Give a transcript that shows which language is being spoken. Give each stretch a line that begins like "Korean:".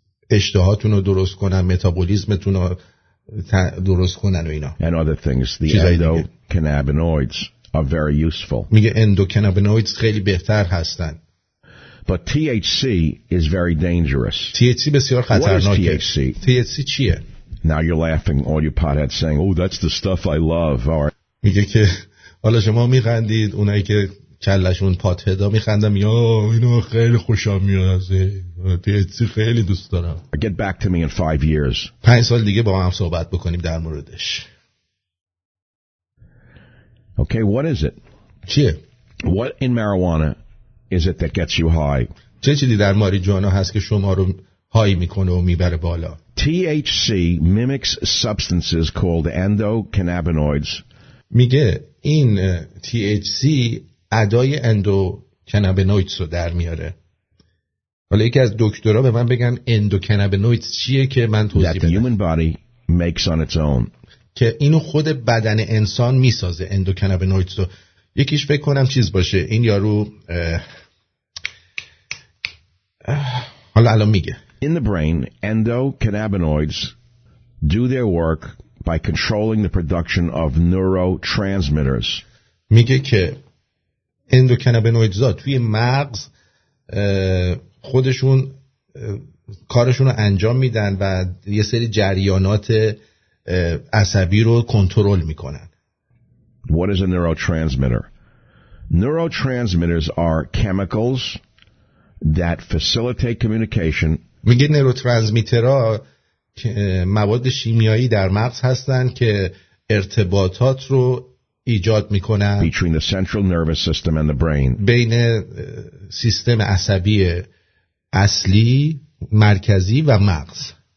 Persian: اشتهاتون رو درست کنن، متابولیزمتون رو درست کنن و اینا.
English: And other things, the endocannabinoids are very useful.
Persian: میگه endocannabinoids خیلی بهتر هستن.
English: But THC is very dangerous.
Persian: THC بسیار خطرناکه.
English: What is THC?
Persian: THC چیه؟
English: Now you're laughing, all you potheads saying, oh, that's the stuff I love. Or...
Persian: میگه که حالا شما میخندید، اونایی که کلشون پاتهدا میخندم، یا اینو خیلی خوشم میاد از THC، خیلی دوست دارم.
English: Get back to me in 5 years.
Persian: 5 سال دیگه با هم صحبت بکنیم در موردش.
English: Okay, what is it?
Persian: چیه؟
English: What in marijuana is it that gets you high?
Persian: چه چیزی در ماریجوانا هست که شما رو های میکنه و میبره بالا؟
English: THC mimics substances called endocannabinoids.
Persian: میگه این THC ادای اندوکنابینویدز رو در میاره. حالا یکی از دکترها به من بگن اندوکنابینویدز چیه که من توضیح بدم.
English: That the human body makes on its own.
Persian: که اینو خود بدن انسان میسازه اندوکنابینویدز رو. یکیش فکر کنم چیز باشه، این یارو حالا الان میگه.
English: In the brain, endocannabinoids do their work by controlling the production of neurotransmitters.
Persian: میگه که اندوکنابینویدز توی مغز خودشون کارشون رو انجام میدن و یه سری جریانات عصبی رو کنترل میکنن.
English: What is a neurotransmitter? Neurotransmitters are chemicals that facilitate communication.
Persian: میگه نوروترانسمیترها که مواد شیمیایی در مغز هستن که ارتباطات رو ایجاد میکنن.
English: Between the central nervous system and the brain.
Persian: بین سیستم عصبی اصلی، مرکزی و مغز.